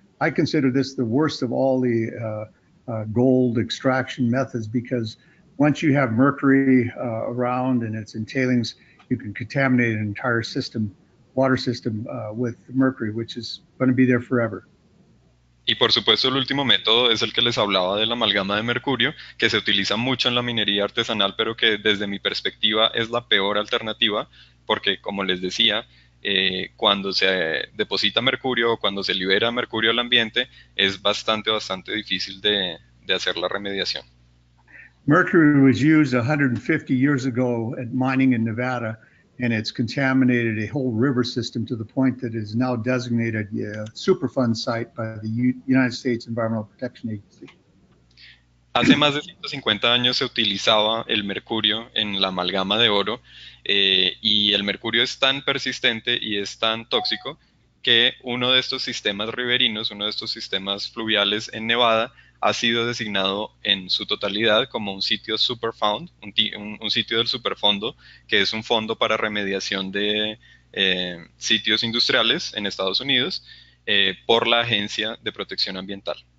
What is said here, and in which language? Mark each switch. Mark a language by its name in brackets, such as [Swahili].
[English] I consider this the worst of all the gold extraction methods because once you have mercury around and it's in tailings, you can contaminate an entire system, water system with mercury, which is going to be there forever. [Spanish] Y por supuesto el último método es el que les hablaba de la amalgama de mercurio, que se utiliza mucho en la minería artesanal, pero que desde mi perspectiva es la peor alternativa, porque como les decía, cuando se deposita mercurio o cuando se libera mercurio al ambiente, es bastante, bastante difícil de hacer la remediación. [English] Mercury was used 150 years ago at mining in Nevada, and it's contaminated a whole river system to the point that it is now designated a Superfund site by the United States Environmental Protection Agency. [Spanish] Hace más de 150 años se utilizaba el mercurio en la amalgama de oro, y el mercurio es tan persistente y es tan tóxico que uno de estos sistemas riverinos, uno de estos sistemas fluviales en Nevada, ha sido designado en su totalidad como un sitio superfund, un sitio del superfondo, que es un fondo para remediación de sitios industriales en Estados Unidos por la Agencia de Protección Ambiental.